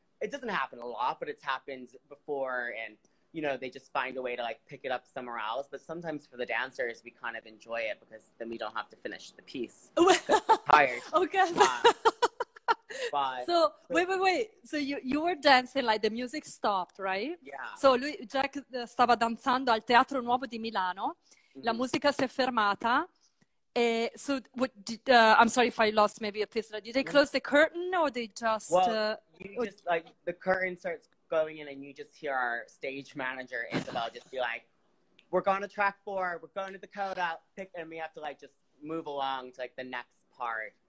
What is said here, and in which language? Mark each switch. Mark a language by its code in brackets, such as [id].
[en] It doesn't happen a lot, but it's happened before, and, you know, they just find a way to, like, pick it up somewhere else. But sometimes for the dancers, we kind of enjoy it because then we don't have to finish the piece. Tired. Okay. Wait. So you were dancing, like, the music stopped, right? Yeah. [it] So lui, Jack stava danzando al Teatro Nuovo di Milano. Mm-hmm. La musica si è fermata. [en] So I'm sorry if I lost maybe a piece. Did they close the curtain or they just... the curtain starts going in and you just hear our stage manager, Isabel, just be like, we're going to track four, we're going to the coda, pick, and we have to, like, just move along to, like, the next part.